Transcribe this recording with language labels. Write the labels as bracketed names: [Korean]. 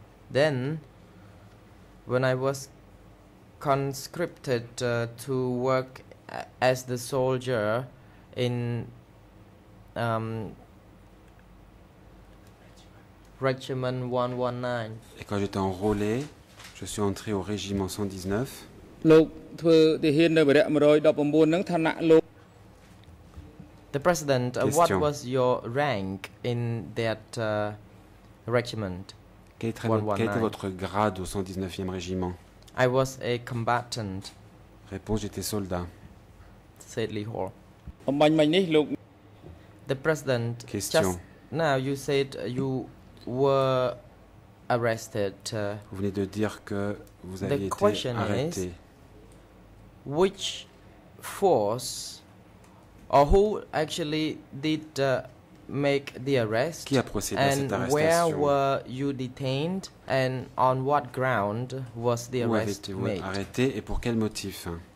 [English] Then, when I was conscripted to work as the soldier in Regiment 119. [French] Et quand j'étais enrôlé, je suis entré au régiment 119. Lok thua tihien nei varak 119 nang thanak lok. [English] The president, question. What was your rank in that regiment? [French] Quel était votre grade au 119e régiment? [English] I was a combatant. [French] Réponse, j'étais soldat. [English] Said Lee Hor. The president, question. Just now you said you were arrested. [French] Vous venez de dire que vous aviez été arrêté. [English] Which force, or who actually did make the arrest? [French] Qui a procédé à cette arrestation? [English] And where were you detained? And on what ground was the arrest made? [French] Où avez-vous arrêté et pour quel motif?